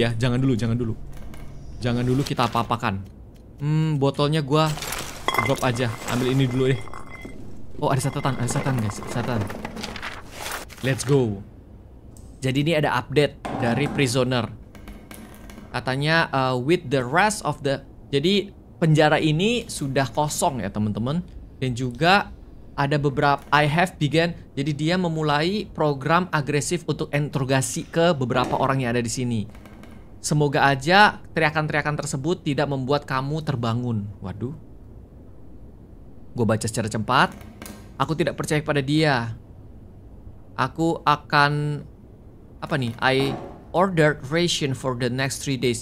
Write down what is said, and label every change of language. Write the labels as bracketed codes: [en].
[id] Jangan dulu kita apa-apakan. Botolnya gua drop aja. Ambil ini dulu deh. Oh, ada catatan guys. [en] Let's go. [id] Jadi ini ada update dari prisoner. Katanya [en] with the rest of the... [id] Jadi penjara ini sudah kosong ya teman-teman. Dan juga ada beberapa... [en] I have begun. [id] Jadi dia memulai program agresif untuk interogasi ke beberapa orang yang ada di sini. Semoga aja teriakan-teriakan tersebut tidak membuat kamu terbangun. Waduh. Gue baca secara cepat. Aku tidak percaya kepada dia. Aku akan... Apa nih? [en] I ordered ration for the next 3 days.